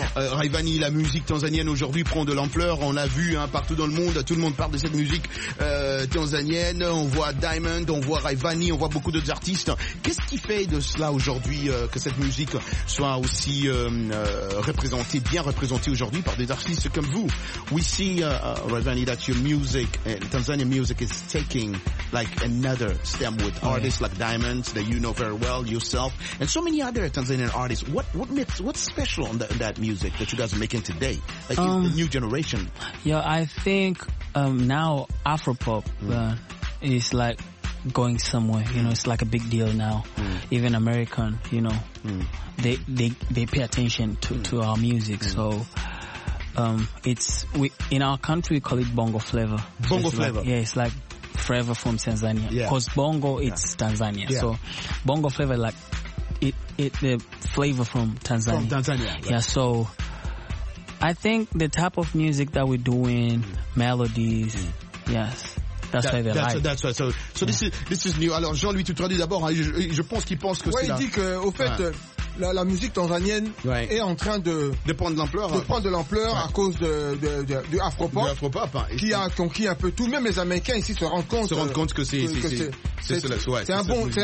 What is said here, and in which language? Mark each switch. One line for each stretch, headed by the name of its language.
French: Raivani, la musique tanzanienne aujourd'hui prend de l'ampleur. On l'a vu hein, partout dans le monde. Tout le monde parle de cette musique tanzanienne. On voit Diamond, on voit Raivani, on voit beaucoup d'autres artistes. Qu'est-ce qui fait de cela aujourd'hui que cette musique soit aussi représentée, bien représentée aujourd'hui par des artistes comme vous?
English: We see, Raivani, that your music, Tanzanian music, is taking like another stem with artists like Diamond, that you know very well yourself, and so many other Tanzanian artists. What's special on that music that you guys are making today, like the new generation? Yeah, I think now Afropop is like going somewhere. You know, it's like a big deal now. Even American, you know, they pay attention to our music. So in our country we call it bongo flavor. Bongo flavor. Like, yeah, it's like flavor from Tanzania. Because bongo it's Tanzania. Yeah. So bongo flavor like it the flavor from Tanzania. From Tanzania. Yeah, so I think the type of music that we're doing, melodies, yes. That's why they're like. This is new.
French: Alors Jean-Louis, tu traduis d'abord, hein, je pense qu'il pense que il dit que au fait La musique tanzanienne est en train de prendre de l'ampleur, à cause de Afropop, qui a conquis un peu tout. Même les Américains ici se rendent compte que c'est